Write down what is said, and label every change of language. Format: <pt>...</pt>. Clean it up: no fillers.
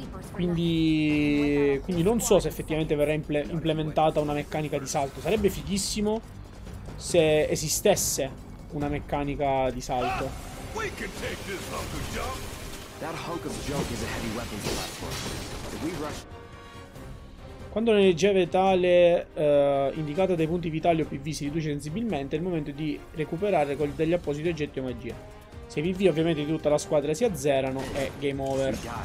<it>Quindi non so se effettivamente verrà implementata una meccanica di salto. Sarebbe fighissimo se esistesse una meccanica di salto.</it> <en>We can take this hunk of junk. That hunk of junk is a heavy weapons platform. If we rush.</en> <it>Quando l'energia vitale indicata dai punti vitali o PV si riduce sensibilmente, è il momento di recuperare con degli appositi oggetti o magia. Se PV ovviamente di tutta la squadra si azzerano, è game over.</it>